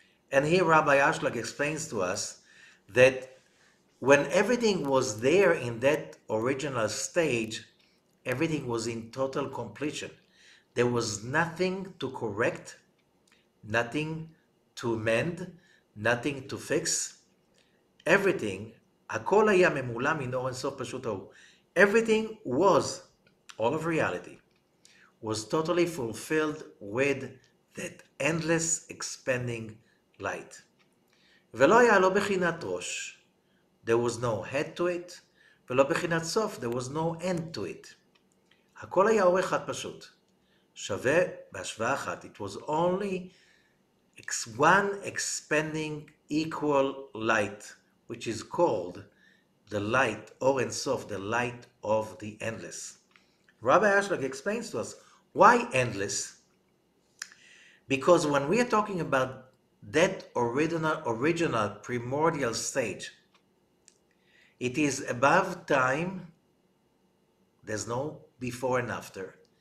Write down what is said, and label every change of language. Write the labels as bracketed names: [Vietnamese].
[English] And here Rabbi Ashlag explains to us that when everything was there in that original stage, everything was in total completion. There was nothing to correct, nothing to mend, nothing to fix. Everything, [Hebrew] הכל היה ממולא מן אור אין סוף פשוט ההוא. [English] Everything was, all of reality, was totally fulfilled with that endless expanding light. [Hebrew] ולא היה לא בחינת ראש, [English] there was no head to it, [Hebrew] ולא בחינת סוף, [English] there was no end to it. [Hebrew] הכל היה אור אחד פשוט, שווה בהשוואה אחת. [English] It was only one expanding equal light, which is called the light, or in sof, the light of the endless. Rabbi Ashlag explains to us, why endless? Because when we are talking about that original primordial stage, it is above time, there's no before and after.